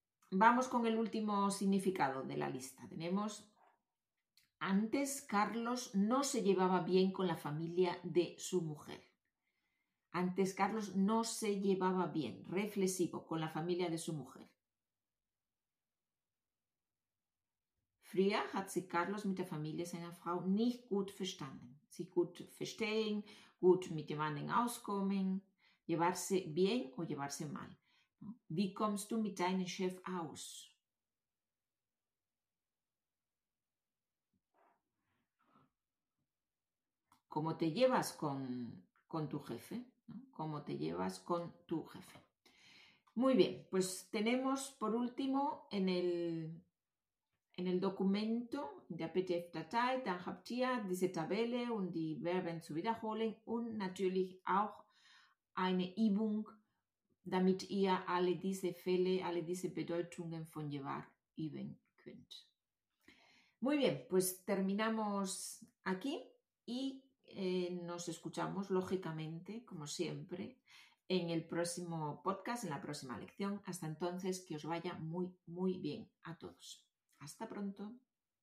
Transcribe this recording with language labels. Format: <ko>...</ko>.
<es>Vamos con el último significado de la lista. Tenemos, antes Carlos no se llevaba bien con la familia de su mujer. Antes Carlos no se llevaba bien, reflexivo, con la familia de su mujer.</es> <de>Früher hat sich Carlos mit der Familie seiner Frau nicht gut verstanden. Sich gut verstehen, gut mit jemandem auskommen,</de> <es>llevarse bien o llevarse mal.</es> <de>Wie kommst du mit deinem Chef aus?</de> <es>¿Cómo te llevas con tu jefe? ¿Cómo te llevas con tu jefe? Muy bien, pues tenemos por último en el documento de la PDF-Datei,</es> <de>dann habt ihr diese Tabelle und die Verben zu wiederholen und natürlich auch eine Übung, damit ihr alle diese Fälle, alle diese Bedeutungen von llevar üben könnt.</de> <es>Muy bien, pues terminamos aquí y nos escuchamos, lógicamente, como siempre, en el próximo podcast, en la próxima lección. Hasta entonces, que os vaya muy, muy bien a todos. Hasta pronto.</es>